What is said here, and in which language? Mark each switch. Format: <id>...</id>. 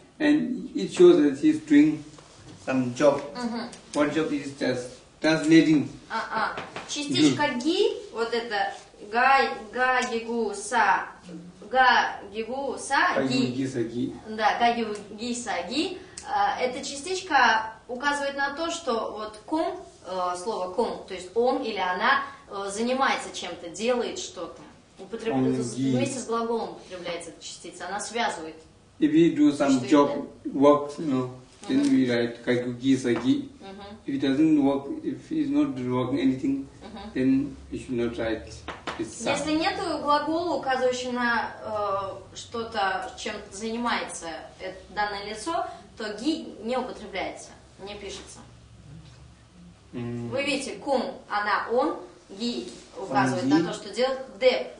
<en>And it shows that he's doing some job. Mm-hmm. One job is just translating.</en> <ru>частичка ги, вот это ги-гу-са-ги. Да, ги-гу-ги-са-ги. Эта частичка указывает на то, что вот кум, слово кум, то есть он или она занимается чем-то, делает что-то. Вместе с глаголом употребляется эта частица, она связывает.</ru> <en>If you do some job, work, you know, then we write kaigu gi sa gi. If it doesn't work, if it's not working anything, then we should not write it's sa.</en> <ru>Если нет глагола, указывающего на что-то, чем занимается данное лицо, то ги не употребляется, не пишется. Вы видите, кун, она, он, ги указывает на то, что делает деп.</ru>